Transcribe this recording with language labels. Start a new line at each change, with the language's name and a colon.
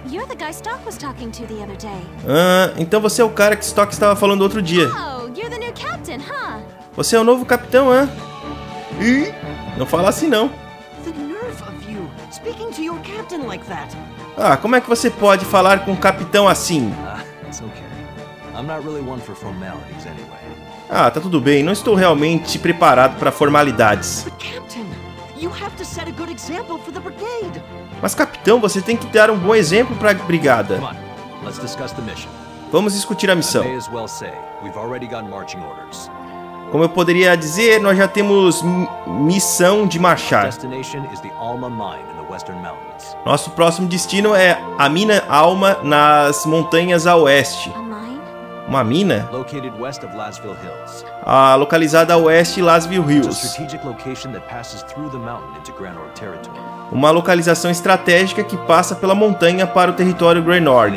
English: You're the guy Stock was talking to the other day.
Portuguese: Então você é o cara que Stock estava falando outro dia.
English: Oh, you're the new captain, huh?
Portuguese: Você é o novo capitão, hã? Não fala assim, não.
English: The nerve of you speaking to your captain like that.
Portuguese: Ah, como é que você pode falar com um capitão assim?
English: It's okay. I'm not really one for formalities anyway.
Portuguese: Ah, tá tudo bem. Não estou realmente preparado para formalidades.
English: But captain, you have to set a good example for the brigade.
Portuguese: Mas capitão, você tem que dar um bom exemplo para a brigada.
English: Come on, let's discuss the mission.
Portuguese: Vamos discutir a missão.
English: I may as well say, we've already got marching orders.
Portuguese: Como eu poderia dizer, nós já temos missão de marchar.
English: Destination is the Alma Mine in the Western Mountains.
Portuguese: Nosso próximo destino é a mina Alma nas montanhas a oeste. Uma mina?
English: Located west of Lasville Hills.
Portuguese: Localizada a oeste de Lasville Hills.
English: It's a strategic location that passes through the mountain into Granor territory.
Portuguese: Uma localização estratégica que passa pela montanha para o território Granorg.